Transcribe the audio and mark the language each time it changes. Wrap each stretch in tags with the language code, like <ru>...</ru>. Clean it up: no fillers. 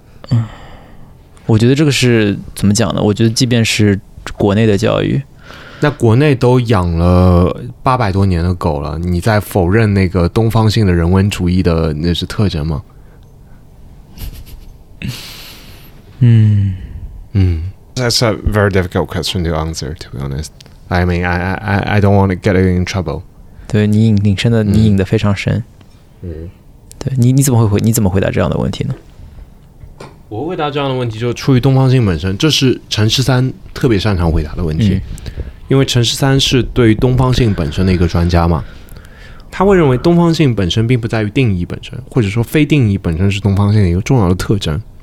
<en>okay.</en> <zh>我觉得这个是怎么讲呢？我觉得即便是国内的教育。那国内都养了800多年的狗了，你在否认那个东方性的人文主义的那是特征吗？</zh> <en>That's a very difficult question to answer, to be honest. I mean, I don't want to get it in trouble.</en> <zh>对，你引得非常深。对，你怎么回答这样的问题呢？我回答这样的问题就出于东方性本身，这是陈十三特别擅长回答的问题。因为陈十三是对于东方性本身的一个专家嘛，他会认为东方性本身并不在于定义本身，或者说非定义本身是东方性的一个重要的特征。</zh>